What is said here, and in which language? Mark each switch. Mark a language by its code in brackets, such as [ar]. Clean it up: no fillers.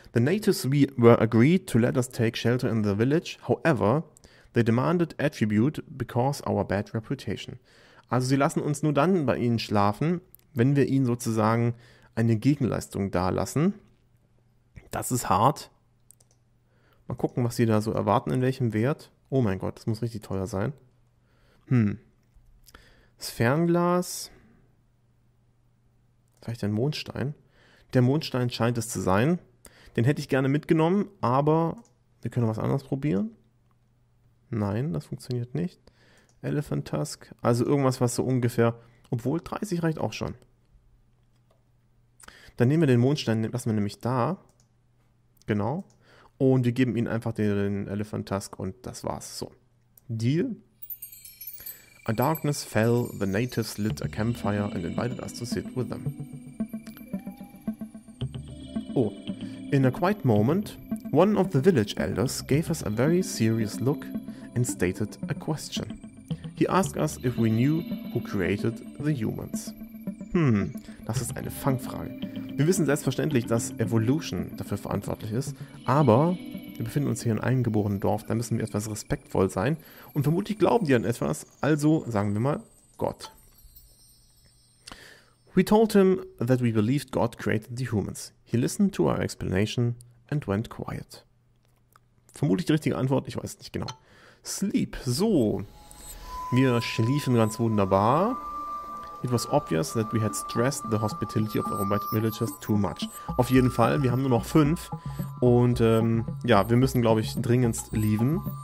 [en] The natives we were agreed to let us take shelter in the village. However, they demanded attribute because our bad reputation. [de] Also sie lassen uns nur dann bei ihnen schlafen, wenn wir ihnen sozusagen eine Gegenleistung dalassen. Das ist hart. Mal gucken, was sie da so erwarten, in welchem Wert. Oh mein Gott, das muss richtig teuer sein. Das Fernglas. Vielleicht ein Mondstein. Der Mondstein scheint es zu sein. Den hätte ich gerne mitgenommen, aber wir können was anderes probieren. Nein, das funktioniert nicht. Elephant Tusk. Also irgendwas, was so ungefähr. Obwohl, 30 reicht auch schon. Dann nehmen wir den Mondstein, lassen wir nämlich da. Genau. Und wir geben ihnen einfach den Elephant Tusk und das war's. So. Deal. [en] A darkness fell, the natives lit a campfire and invited us to sit with them. Oh. In a quiet moment, one of the village elders gave us a very serious look and stated a question. He asked us if we knew who created the humans. [de] Das ist eine Fangfrage. Wir wissen selbstverständlich, dass Evolution dafür verantwortlich ist, aber wir befinden uns hier in einem eingeborenen Dorf, da müssen wir etwas respektvoll sein und vermutlich glauben die an etwas, also sagen wir mal Gott. [en] We told him that we believed God created the humans. He listened to our explanation and went quiet. [de] Vermutlich die richtige Antwort, ich weiß nicht genau. Sleep. So. Wir schliefen ganz wunderbar. [en] It was obvious that we had stressed the hospitality of our villagers too much. [de] Auf jeden Fall, wir haben nur noch 5 und ja, wir müssen, glaube ich, dringendst leaven.